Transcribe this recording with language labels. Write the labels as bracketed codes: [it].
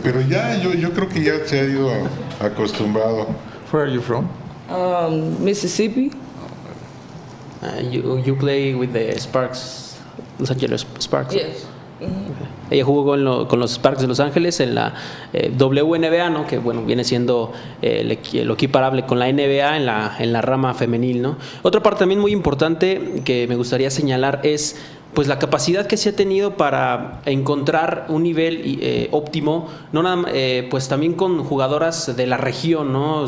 [es] Pero ya, yo creo que ya se ha ido acostumbrado. [en] Where are you from? Mississippi. You play with the Sparks, Los Angeles Sparks. Yes. Mm-hmm. [es] Ella jugó con los Sparks de Los Ángeles en la WNBA, ¿no? Que bueno, viene siendo lo equiparable con la NBA en la rama femenil, ¿no? Otra parte también muy importante que me gustaría señalar es pues la capacidad que se ha tenido para encontrar un nivel óptimo, no nada, pues también con jugadoras de la región, ¿no?